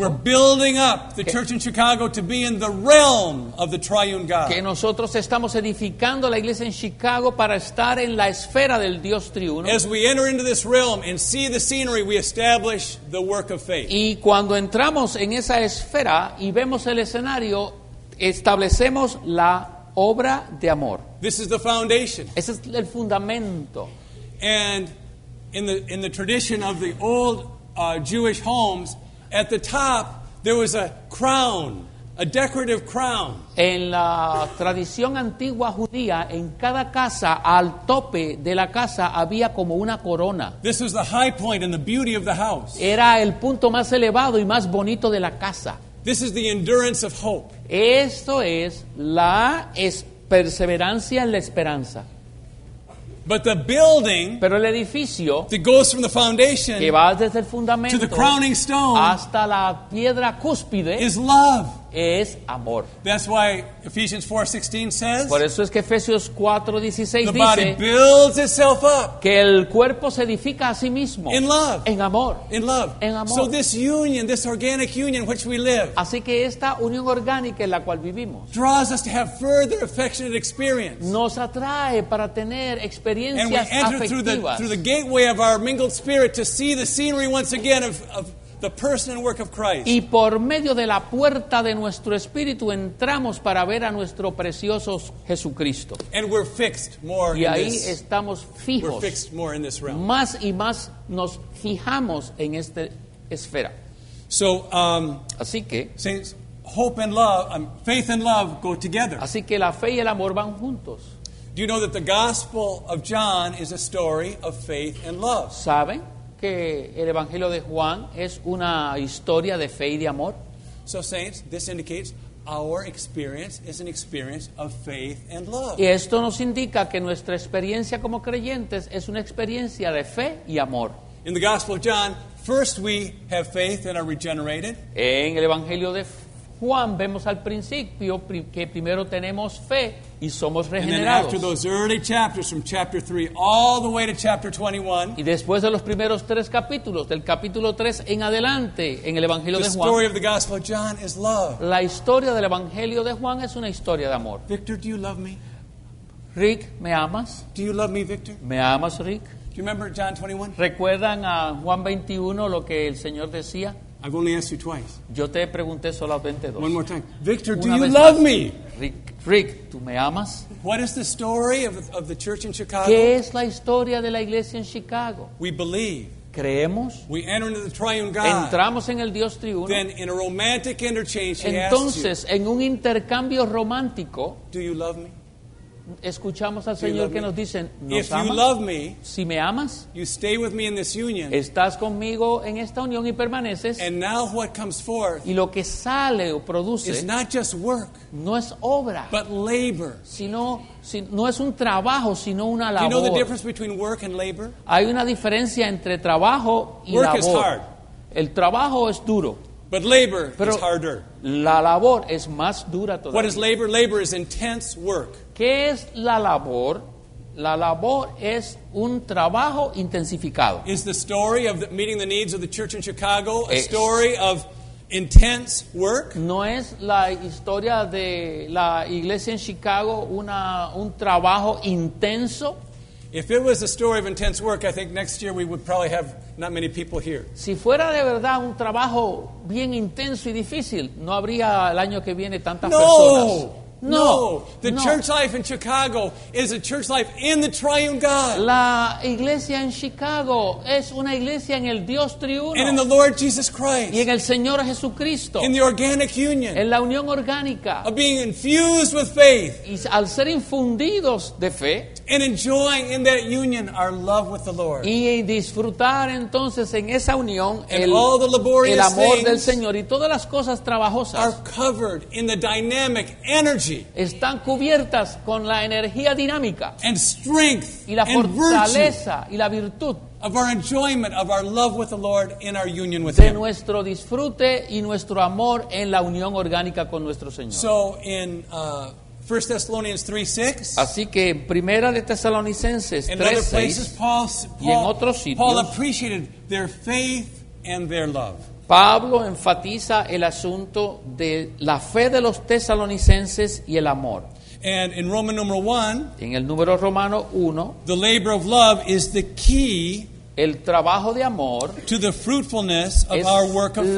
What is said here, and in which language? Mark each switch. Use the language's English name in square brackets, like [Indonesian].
[English] We're building up the church in Chicago to be in the realm of the triune God. [Spanish] Que nosotros estamos edificando la iglesia en Chicago para estar en la esfera del Dios triuno. [English] As we enter into this realm and see the scenery, we establish the work of faith. [Spanish] Y cuando entramos en esa esfera y vemos el escenario, establecemos la obra de amor. [English] This is the foundation. [Spanish] Ese es el fundamento. [English] And in the tradition of the old Jewish homes, at the top there was a crown, a decorative crown. [Spanish] En la tradición antigua judía, en cada casa, al tope de la casa había como una corona. [English] This was the high point and the beauty of the house. [Spanish] Era el punto más elevado y más bonito de la casa. [English] This is the endurance of hope. [Spanish] Esto es la perseverancia en la esperanza. [English] But the building, [Spanish] pero el edificio, [English] that goes from the foundation, [Spanish] que va desde el fundamento, [English] to the crowning stone, [Spanish] hasta la piedra cúspide, [English] is love. [Spanish] Es amor. [English] That's why Ephesians 4:16 says, [Spanish] por eso es que Efesios 4:16 dice, [English] the body builds itself up, [Spanish] que el cuerpo se edifica a sí mismo, [English] in love, [Spanish] en amor, [English] in love, [Spanish] en amor. [English] So this union, this organic union in which we live, [Spanish] así que esta unión orgánica en la cual vivimos, [English] draws us to have further affectionate experience, [Spanish] nos atrae para tener experiencias afectivas, [English] and we enter through the gateway of our mingled spirit to see the scenery once again of the person and work of Christ. [Spanish] Y por medio de la puerta de nuestro espíritu entramos para ver a nuestro precioso Jesucristo. [English] And we're fixed more in this. [Spanish] Y ahí estamos fijos. [English] We're fixed more in this realm. [Spanish] Más y más nos fijamos en esta esfera. [English] So, [Spanish] así que [English] saints, hope and love, faith and love go together. [Spanish] Así que la fe y el amor van juntos. [English] Do you know that the Gospel of John is a story of faith and love? [Spanish] ¿Saben que el Evangelio de Juan es una historia de fe y de amor? [English] So saints, this indicates our experience is an experience of faith and love. [Spanish] Y esto nos indica que nuestra experiencia como creyentes es una experiencia de fe y amor. [English] In the Gospel of John, first we have faith and are regenerated. [Spanish] En el Evangelio de Juan vemos al principio que primero tenemos fe y somos regenerados. [English] And then after those early chapters, from chapter 3 all the way to chapter 21, [Spanish] y después de los primeros tres capítulos, del capítulo 3 en adelante, en el Evangelio de Juan, [English] the story of the Gospel of John is love. [Spanish] La historia del Evangelio de Juan es una historia de amor. [English] Victor, do you love me? [Spanish] Rick, ¿me amas? [English] Do you love me, Victor? [Spanish] ¿Me amas, Rick? [English] Do you remember John 21? [Spanish] ¿Recuerdan a Juan 21 lo que el Señor decía? [English] I've only asked you twice. [Spanish] Yo te pregunté solamente dos. [English] One more time. Victor, do you love me? [Spanish] Rick, ¿tú me amas? [English] What is the story of the church in Chicago? [Spanish] ¿Qué es la historia de la iglesia en Chicago? [English] We believe. [Spanish] Creemos. [English] We enter into the triune God. [Spanish] Entramos en el Dios triuno. [English] Then in a romantic interchange, [Spanish] entonces, [English] he asks you, [Spanish] en un intercambio romántico, [English] do you love me? [Spanish] Escuchamos al Señor que nos dicen, ¿nos amas? [English] You love me, [Spanish] si me amas, [English] you stay with me in this union, [Spanish] estás conmigo en esta unión y permaneces. [English] And now what comes forth, [Spanish] y lo que sale o produce, [English] is not just work, [Spanish] no es obra, [English] but labor. [Spanish] No es un trabajo, sino una labor. [English] Do you know the difference between work and labor? [Spanish] Hay una diferencia entre trabajo y [English] work labor. Is hard. [Spanish] El trabajo es duro. [English] But labor [Spanish] pero [English] is harder. [Spanish] La labor es más dura todavía. [English] What is labor? Labor is intense work. [Spanish] ¿Qué es la labor? La labor es un trabajo intensificado. [English] Is the story of the meeting the needs of the church in Chicago a story of intense work? [Spanish] ¿No es la historia de la iglesia en Chicago un trabajo intenso? [English] If it was a story of intense work, I think next year we would probably have not many people here. [Spanish] Si fuera de verdad un trabajo bien intenso y difícil, no habría el año que viene tantas personas. [English] No, church life in Chicago is a church life in the triune God. [Spanish] La iglesia en Chicago es una iglesia en el Dios triuno. [English] And in the Lord Jesus Christ. [Spanish] Y en el Señor Jesucristo. [English] In the organic union. [Spanish] En la unión orgánica. [English] Of being infused with faith. [Spanish] Y al ser infundidos de fe. [English] And enjoying in that union our love with the Lord. [Spanish] Y disfrutar entonces en esa unión el amor del Señor y todas las cosas trabajosas. [English] Are covered in the dynamic energy. [Spanish] Están cubiertas con la energía dinámica. [English] And strength [Spanish] y la fortaleza y la virtud. [English] Of our enjoyment of our love with the Lord in our union with [Spanish] de [English] him. [Spanish] De nuestro disfrute y nuestro amor en la unión orgánica con nuestro Señor. [English] So in 1 Thessalonians 3:6. [Spanish] Así que en Primera de Tesalonicenses 3:6. Y en otros sitios. [English] Paul appreciated their faith and their love. [Spanish] Pablo enfatiza el asunto de la fe de los tesalonicenses y el amor. [English] And in Roman number 1. [Spanish] En el número romano 1. [English] The labor of love is the key. [Spanish] El trabajo de amor. [English] To the fruitfulness of our work of faith.